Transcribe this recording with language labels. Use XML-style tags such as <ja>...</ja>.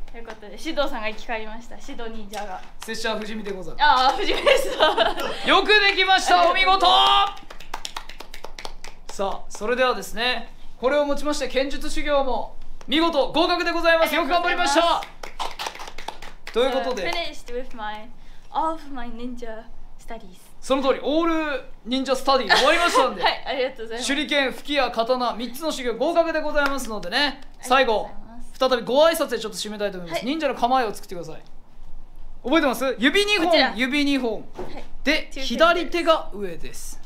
<ja>ということで、指導さんが生き返りました。指導忍者が、拙者は不死身でござる。あ、不死身でしたよくできました、お見事さあ、それではですね、これをもちまして剣術修行も見事合格でございます。よく頑張りました。ということで、</ja> <en>finished with my all of my ninja studies。</en> <ja>その通り、オール忍者スタディ終わりましたんではい、ありがとうございます。手裏剣、吹き矢、刀、3つの修行合格でございますのでね、最後再びご挨拶でちょっと締めたいと思います、はい、忍者の構えを作ってください。覚えてます？指2本、指2本、はい、で、左手が上です。</ja>